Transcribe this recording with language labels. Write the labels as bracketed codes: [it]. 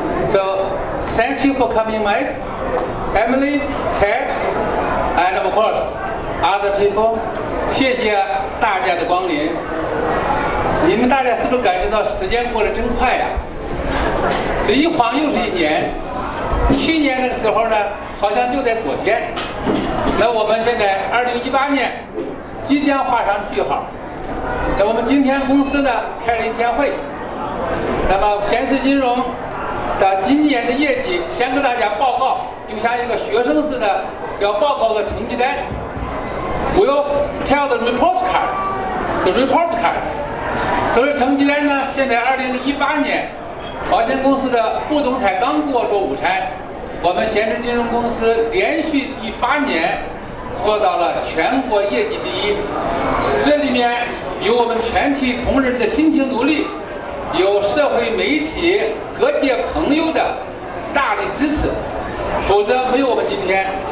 [en] So thank you for coming, Mike, Emily, Ted, and of course, other people. [zh] 谢谢大家的光临。你们大家是不是感觉到时间过得真快呀？这一晃又是一年，去年那个时候呢好像就在昨天，那我们现在2018年即将画上句号。那我们今天公司呢开了一天会，那么贤士金融的今年的业绩先跟大家报告，就像一个学生似的要报告个成绩单。 [en] We'll tell the report cards, the report cards。 [zh] 所以成绩单呢，现在2018年保险公司的副总裁刚过过午餐，我们贤士金融公司连续第8年做到了全国业绩第一，这里面有我们全体同仁的辛勤努力，有社会媒体各界朋友的大力支持，否则没有我们今天。